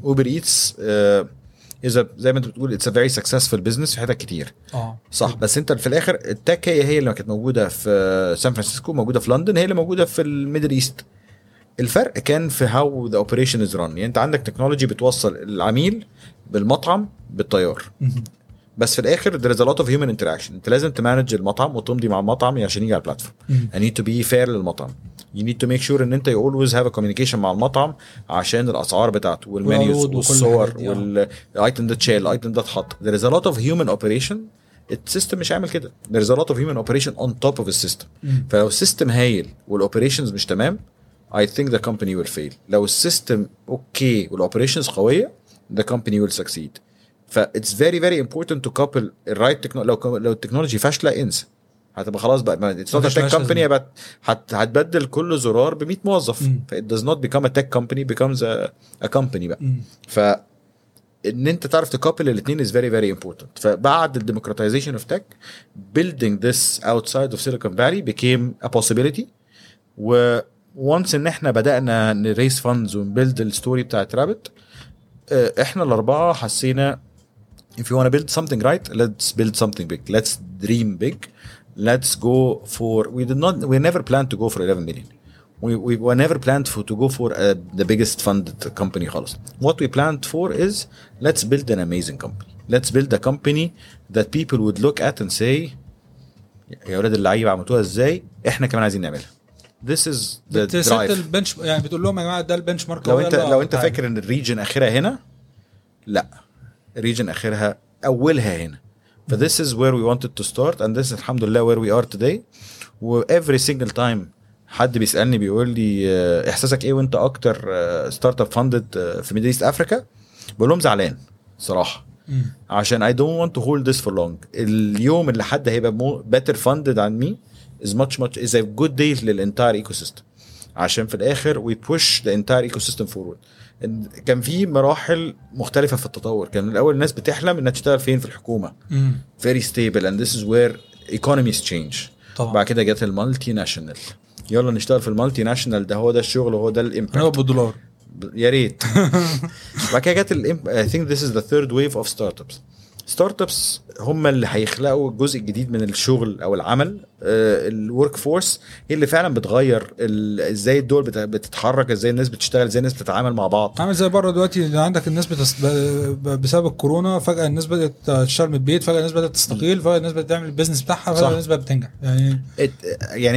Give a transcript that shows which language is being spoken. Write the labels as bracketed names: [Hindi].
[Arabic] اوبر ايتس إذا زي ما انت بتقول [English] it's a very successful business [Arabic] في حتة كتير. صح. بس انت في الاخر التك هي اللي كانت موجودة في سان فرانسيسكو، موجودة في لندن، هي اللي موجودة في الميدل ايست. الفرق كان في [English] how the operation is run. [Arabic] يعني انت عندك تكنولوجي بتوصل العميل بالمطعم بالطيار. بس في الاخر [English] there is a lot of human interaction. [Arabic] انت لازم تمانج المطعم وتمضي مع المطعم عشان يجي على البلاتفورم. [English] I need to be fair [Arabic] للمطعم. [English] You need to make sure [Arabic] ان انت [English] you always have a communication [Arabic] مع المطعم عشان الاسعار بتاعته والمنيوز والصور والايتم ده تشال الايتم ده اتحط. [English] There is a lot of human operation. [Arabic] السيستم مش عامل كده. [English] There is a lot of human operation on top of the system. [Arabic] فلو السيستم هايل والاوبريشنز مش تمام [English] I think the company will fail. [Arabic] لو السيستم اوكي والاوبريشنز قويه [English] the company will succeed. ف it's very very important to couple the right technology. [Arabic] لو التكنولوجي فاشلة انسى، هتبقى خلاص بقى [English] it's not a tech company. [Arabic] هتبدل كل زرار ب 100 موظف. [English] ف it does not become a tech company, becomes a company بقى. [Arabic] ف ان انت تعرف تكابل الاثنين [English] is very very important. فبعد ال democratization of tech building this outside of Silicon Valley became a possibility. و once [Arabic] ان احنا بدأنا ن [English] raise funds و build the story [Arabic] بتاعت رابت، احنا الاربعة حسينا [English] if you want to build something right let's build something big, let's dream big, let's go for we never planned to go for 11 million. We never planned for to go for the biggest funded company خالص. What we planned for is let's build an amazing company, let's build a company that people would look at and say [Arabic] يا ولاد اللعيبه عملتوها ازاي، احنا كمان عايزين نعملها. [English] This is the drive. [Arabic] البنش يعني بتقول لهم يا جماعه ده البنش مارك. لو انت فاكر ان الريجن اخرها هنا، لا region اخرها اولها هنا. [English] For this is where we wanted to start and this is alhamdulillah where we are today. [Arabic] و [English] every single time [Arabic] حد بيسالني بيقول لي احساسك ايه وانت اكتر ستارت اب فاندد في ميدل ايست افريكا، بقول لهم زعلان صراحه عشان [English] I don't want to hold this for long. [Arabic] اليوم اللي حد هيبقى [English] better funded عن مي is much is a good day [Arabic] للانتاير ايكوسيستم، عشان في الاخر [English] we push the entire ecosystem forward. [Arabic] كان في مراحل مختلفة في التطور. كان الأول الناس بتحلم إنها تشتغل فين في الحكومة. [English] Very stable and this is where economies change. [Arabic] طبعا. بعد كده جت المالتي ناشنال. يلا نشتغل في المالتي ناشنال، ده هو ده الشغل وهو ده الإمباكت. أنا بالدولار. ياريت. بعد كده جت [English] I think this is the third wave of startups. [Arabic] Startups هم اللي هيخلقوا الجزء الجديد من الشغل أو العمل. الورك فورس هي اللي فعلا بتغير ازاي الدول بتتحرك، ازاي الناس بتشتغل، ازاي الناس بتتعامل مع بعض. عامل زي بره دلوقتي عندك الناس بسبب الكورونا فجاه الناس بدات تشتغل من البيت، فجاه الناس بدات تستقيل، فجاه الناس بدات تعمل البيزنس بتاعها، فجاه الناس بدات بتنجح. يعني